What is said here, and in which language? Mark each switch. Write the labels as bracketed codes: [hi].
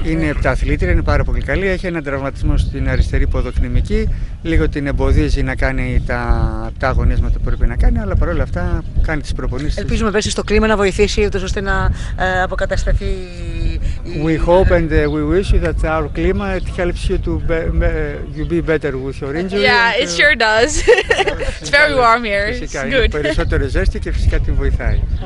[el] Είναι επταθλήτρια, είναι πάρα πολύ καλή. Έχει έναν τραυματισμό στην αριστερή ποδοκνημική. Λίγο την εμποδίζει να κάνει τα αγωνίσματα που πρέπει να κάνει, αλλά παρόλα αυτά κάνει τις προπονήσεις. Ελπίζουμε πέσει στο κλίμα να βοηθήσει ώστε να αποκατασταθεί. [en] We hope and we wish you that our climate helps you to be better with your injury. Yeah, it sure does. It's very warm here. It's good. [el] Περισσότερο ζέστη και φυσικά την βοηθάει.